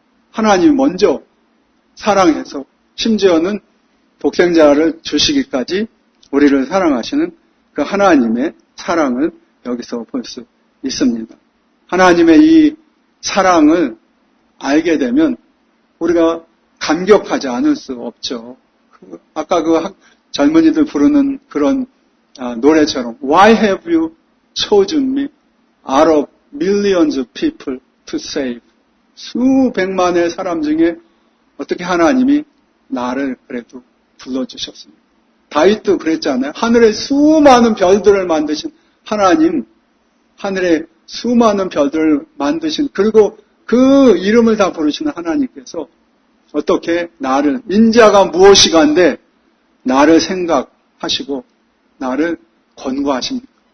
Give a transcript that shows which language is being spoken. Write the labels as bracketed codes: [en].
[ko] 하나님이 먼저 사랑해서 심지어는 독생자를 주시기까지 우리를 사랑하시는 그 하나님의 사랑을 여기서 볼 수 있습니다. 하나님의 이 사랑을 알게 되면 우리가 감격하지 않을 수 없죠. 아까 그 젊은이들 부르는 그런 노래처럼 [en] Why have you chosen me out of millions of people to save? [ko] 수백만의 사람 중에 어떻게 하나님이 나를 그래도 불러주셨습니까? 다윗도 그랬잖아요. 하늘에 수많은 별들을 만드신 하나님, 하늘에 수많은 별들을 만드신 그리고 그 이름을 다 부르시는 하나님께서 어떻게 나를, 인자가 무엇이간데 나를 생각하시고 나를 권고하십니까?